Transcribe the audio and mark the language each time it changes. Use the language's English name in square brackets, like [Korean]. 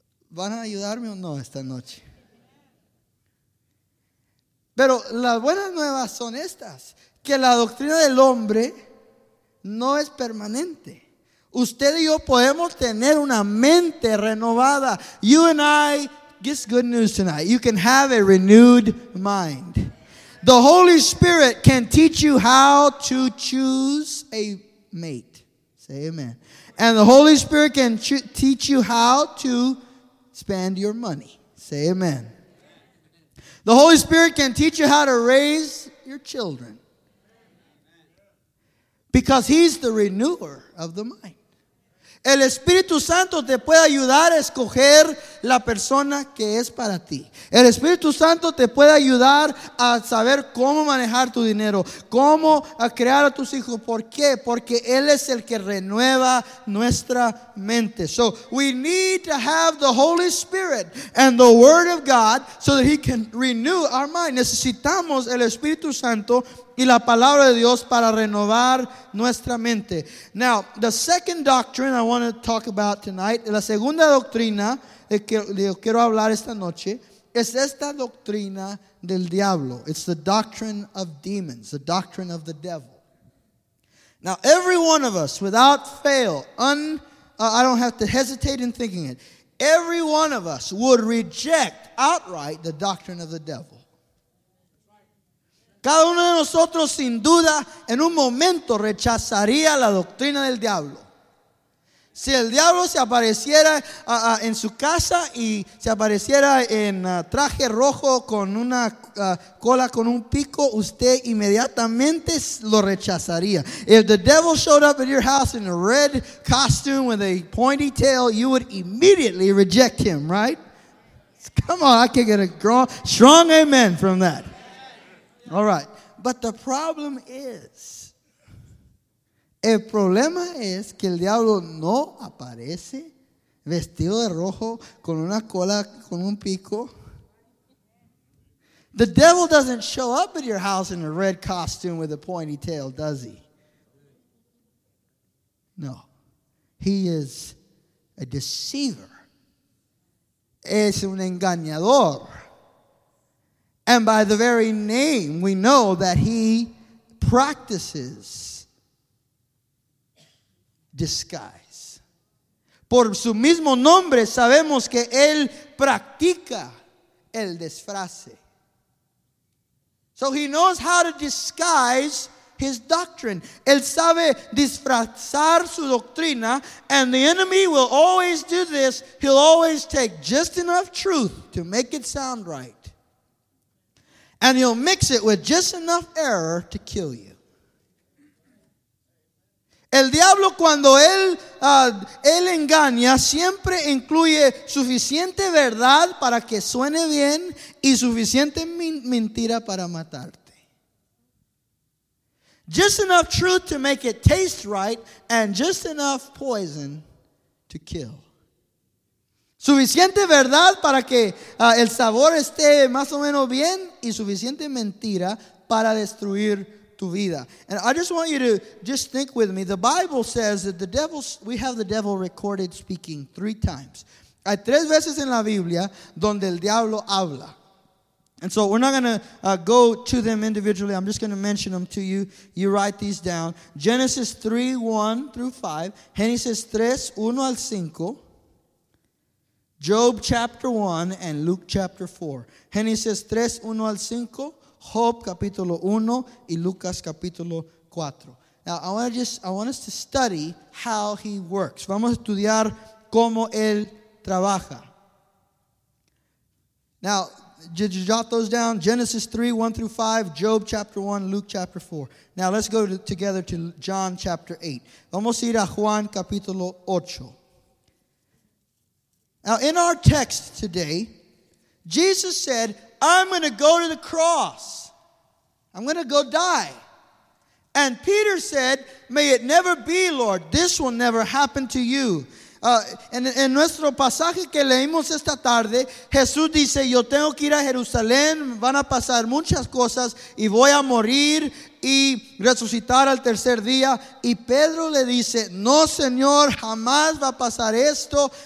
[Spanish] ¿Van a ayudarme o no esta noche? Pero las buenas nuevas son estas, que la doctrina del hombre no es permanente. Usted y yo podemos tener una mente renovada. [English] You and I, this good news tonight, you can have a renewed mind. The Holy Spirit can teach you how to choose a mate. Say amen. And the Holy Spirit can teach you how to spend your money. Say amen. The Holy Spirit can teach you how to raise your children. Because he's the renewer of the mind. [Spanish] El Espíritu Santo te puede ayudar a escoger la persona que es para ti. El Espíritu Santo te puede ayudar a saber cómo manejar tu dinero, cómo crear a tus hijos. ¿Por qué? Porque Él es el que renueva nuestra mente. [English] So we need to have the Holy Spirit and the Word of God so that He can renew our mind. [Spanish] Necesitamos el Espíritu Santo y la palabra de Dios para renovar nuestra mente. [English] Now, the second doctrine I want to talk about tonight, [Spanish] la segunda doctrina de que yo quiero hablar esta noche, es esta doctrina del diablo. [English] It's the doctrine of demons, the doctrine of the devil. Now, every one of us, without fail, I don't have to hesitate in thinking it, every one of us would reject outright the doctrine of the devil. [Spanish] Cada uno de nosotros, sin duda, en un momento rechazaría la doctrina del diablo. Si el diablo se apareciera en su casa y se apareciera en traje rojo con una cola con un pico, usted inmediatamente lo rechazaría. [English] If the devil showed up at your house in a red costume with a pointy tail, you would immediately reject him, right? Come on, I can get a strong amen from that. All right, but the problem is, [Spanish] el problema es que el diablo no aparece vestido de rojo con una cola con un pico. [English] The devil doesn't show up at your house in a red costume with a pointy tail, does he? No, he is a deceiver. [Spanish] Es un engañador. [English] And by the very name, we know that he practices disguise. [Spanish] Por su mismo nombre, sabemos que él practica el disfraz. [English] So he knows how to disguise his doctrine. [Spanish] Él sabe disfrazar su doctrina, [English] and the enemy will always do this. He'll always take just enough truth to make it sound right, and he'll mix it with just enough error to kill you. [Spanish] El diablo, cuando él engaña, siempre incluye suficiente verdad para que suene bien y suficiente mentira para matarte. [English] Just enough truth to make it taste right and just enough poison to kill. [Spanish] Suficiente verdad para que el sabor esté más o menos bien y suficiente mentira para destruir tu vida. [English] And I just want you to just think with me. The Bible says that we have the devil recorded speaking three times. [Spanish] Hay tres veces en la Biblia donde el diablo habla. [English] And so we're not going to go to them individually. I'm just going to mention them to you. You write these down. Genesis 3, 1 through 5. Genesis 3, [Spanish] 1 al 5. [English] Job chapter 1 and Luke chapter 4. [Spanish] Genesis 3, 1 al 5. Job capítulo 1 y Lucas capítulo 4. [English] Now I want us to study how he works. [Spanish] Vamos a estudiar cómo él trabaja. [English] Now, did you jot those down? Genesis 3, 1 through 5, Job chapter 1, Luke chapter 4. Now let's go together to John chapter 8. [Spanish] Vamos a ir a Juan capítulo 8. [English] Now in our text today, Jesus said, I'm going to go to the cross. I'm going to go die. And Peter said, may it never be, Lord. This will never happen to you. [Spanish] En nuestro pasaje que leímos esta tarde, Jesús dice, yo tengo que ir a Jerusalén, van a pasar muchas cosas, y voy a morir y resucitar al tercer día. Y Pedro le dice, no, Señor, jamás va a pasar esto.